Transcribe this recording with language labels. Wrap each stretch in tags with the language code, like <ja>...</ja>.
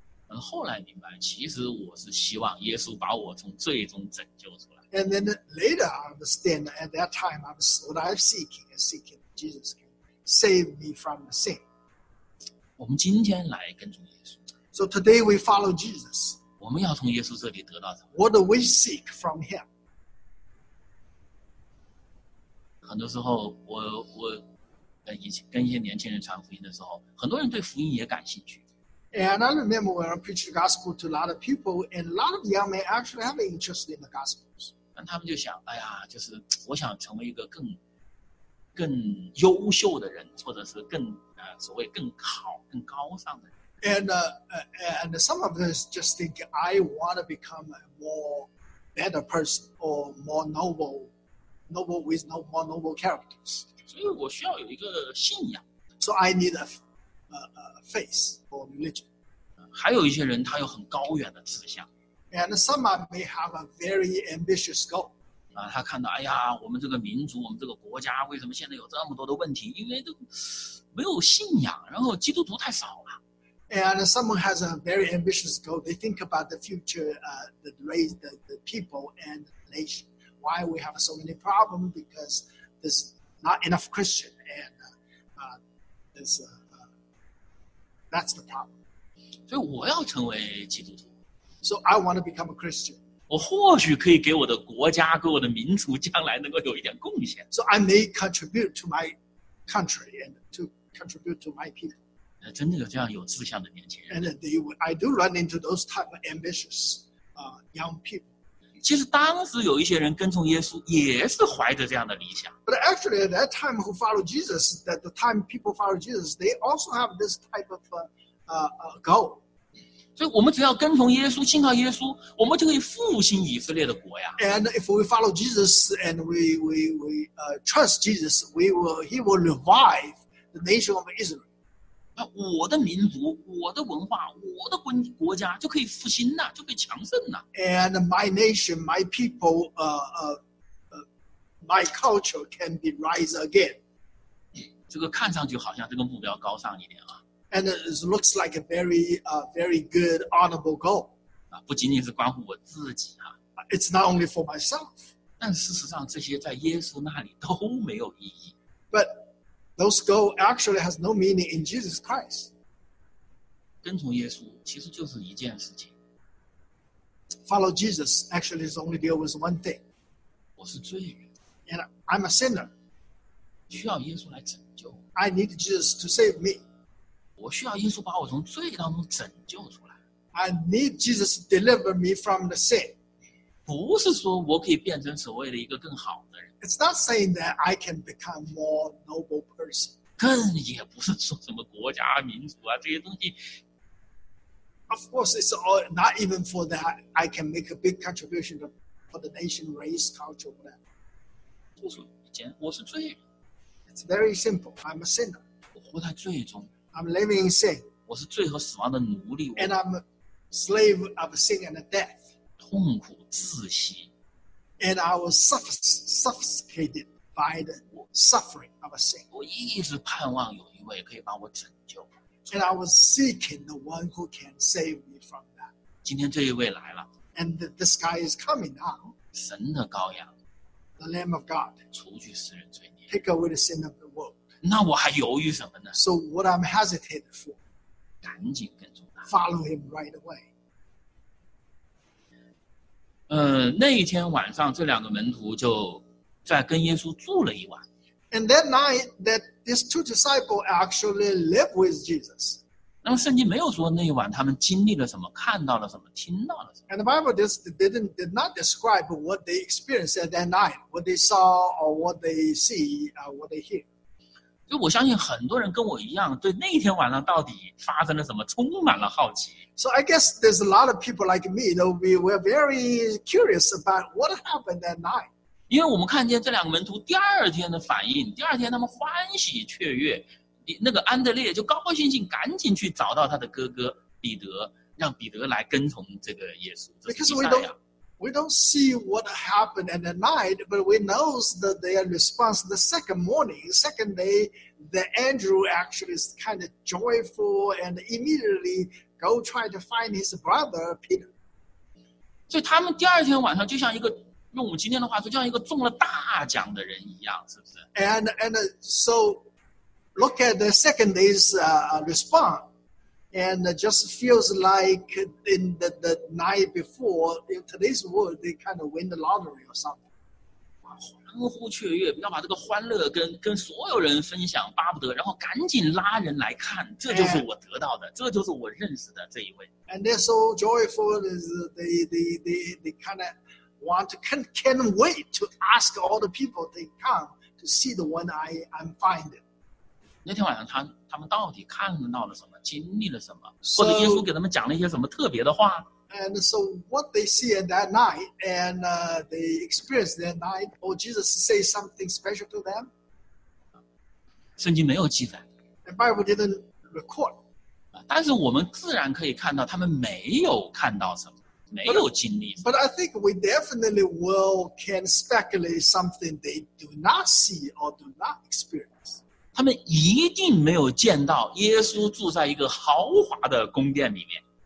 <zh>后来明白，其实我是希望耶稣把我从罪中拯救出来。</zh> <en>And then later, I understand that at that time, what I'm seeking is seeking Jesus to save me from the sin.</en> <zh>我们今天来跟从耶稣。</zh> <en>So today we follow Jesus.</en> <zh>我们要从耶稣这里得到什么</zh> <en>？What do we seek from him?</en> <zh>很多时候我以前跟一些年轻人传福音的时候，很多人对福音也感兴趣。</zh> <en>And I remember when I preached the gospel to a lot of people, and a lot of young men actually have an interest in the gospels.</en> <zh>但他们就想，哎呀，就是我想成为一个更优秀的人，或者是更所谓更好、更高尚的人。</zh> <en>And some of them just think I want to become a more better person or more noble with no more noble characters.</en> <zh>所以我需要有一个信仰。</zh> <en>So I need a. Faith or religion.</en> <zh>还有一些人他有很高远的志向。</zh> <en>And some may have a very ambitious goal.</en> <zh>他看到，哎呀，我们这个民族，我们这个国家为什么现在有这么多的问题？因为都没有信仰，然后基督徒太少了。</zh> <en>And someone has a very ambitious goal. They think about the future, the people and the nation. Why we have so many problems? Because there's not enough Christian and there's a That's the problem.</en> <zh>所以我要成为基督徒。</zh> <en>So I want to become a Christian.</en> <zh>我或许可以给我的国家、给我的民族将来能够有一点贡献。</zh> <en>So I may contribute to my country and to contribute to my people.</en> <zh>真的有这样有志向的年轻人。</zh> <en>And I do run into those type of ambitious young people.</en> <zh>其实当时有一些人跟从耶稣也是怀着这样的理想。</zh> <en>But actually, at that time, who followed Jesus, that the time people followed Jesus, they also have this type of go。</en> <zh>所以我们只要跟从耶稣，信靠耶稣，我们就可以复兴以色列的国呀。</zh> <en>And if we follow Jesus and we trust Jesus, he will revive the nation of Israel.</en> <zh>那我的民族、我的文化、我的国家就可以复兴呐，就可以强盛呐。</zh> <en>And my nation, my people, my culture can be rise again.</en> <zh>这个看上去好像这个目标高尚一点啊。</zh> <en>And it looks like a very, very good, honorable goal.</en> <zh>不仅仅是关乎我自己啊。</zh> <en>It's not only for myself.</en> <zh>但事实上这些在耶稣那里都没有意义。</zh> <en>But those goals actually has no meaning in Jesus Christ.</en> <zh>跟从耶稣其实就是一件事情。</zh> <en>Follow Jesus actually is only deal with one thing.</en> <zh>我是罪人。</zh> <en>And I'm a sinner.</en> <zh>需要耶稣来拯救。</zh> <en>I need Jesus to save me.</en> <zh>我需要耶稣把我从罪当中拯救出来。</zh> <en>I need Jesus to deliver me from the sin.</en> <zh>不是说我可以变成所谓的一个更好的人。</zh> <en>It's not saying that I can become more noble person.</en> <zh>更也不是说什么国家、民族啊这些东西。</zh> <en>Of course, it's all not even for that. I can make a big contribution for the nation, race, culture, whatever.</en> <zh>就是一件，我是罪人。</zh> <en>It's very simple. I'm a sinner.</en> <zh>我活在罪中。</zh> <en>I'm living in sin.</en> <zh>我是罪和死亡的奴隶。</zh> <en>And I'm a slave of sin and death.</en> <zh>痛苦窒息。</zh> <en>And I was suffocated by the suffering of sin.</en> <zh>我一直盼望有一位可以把我拯救。</zh> <en>And I was seeking the one who can save me from that.</en> <zh>今天这一位来了。</zh> <en>And this guy is coming now.</en> <zh>神的羔羊。</zh> <en>The Lamb of God.</en> <zh>除去世人罪孽。</zh> <en>Take away the sin of the world.</en> <zh>那我还犹豫什么呢</zh> <en>？So what I'm hesitating for?</en> <zh>赶紧跟踪他。</zh> <en>Follow him right away.</en> <zh>那一天晚上，这两个门徒就在跟耶稣住了一晚。</zh> <en>And that night, that these two disciples actually lived with Jesus.</en> <zh>那么圣经没有说那一晚他们经历了什么，看到了什么，听到了什么。</zh> <en>And the Bible did not describe what they experienced at that night, what they saw or what they see, what they hear.</en> <zh>就我相信很多人跟我一样，对那天晚上到底发生了什么充满了好奇。</zh> <en>So I guess there's a lot of people like me that we were very curious about what happened that night.</en> <zh>因为我们看见这两个门徒第二天的反应，第二天他们欢喜雀跃，那个安德烈就高高兴兴赶紧去找到他的哥哥彼得，让彼得来跟从这个耶稣。</zh> <en>Because we don't see what happened at the night, but we know that their response the second morning, second day, that Andrew actually is kind of joyful and immediately go try to find his brother, Peter. So,</en> <zh>他们第二天晚上就像一个，用我们今天的话说，就像一个中了大奖的人一样，是不是？</zh> <en>And so, look at the second day's response. And it just feels like in the night before, in today's world, they kind of win the lottery or something.</en> <zh>欢呼雀跃，要把这个欢乐跟所有人分享，巴不得，然后赶紧拉人来看，这就是我得到的，这就是我认识的这一位。</zh> <en>And they're so joyful, they kind of want to, can't wait to ask all the people they come to see the one I'm finding.</en> <zh>那天晚上他们到底看到了什么，经历了什么，或者耶稣给他们讲了一些什么特别的话。</zh> <en>And so what they see at that night and they experience that night, or Jesus say something special to them?</en> <zh>圣经没有记载。</zh> <en>The Bible didn't record.</en> <zh>但是我们自然可以看到他们没有看到什么，没有经历。</zh> <en>But I think we definitely can speculate something they do not see or do not experience.</en> <zh>他们一定没有见到耶稣住在一个豪华的宫殿里面。</zh>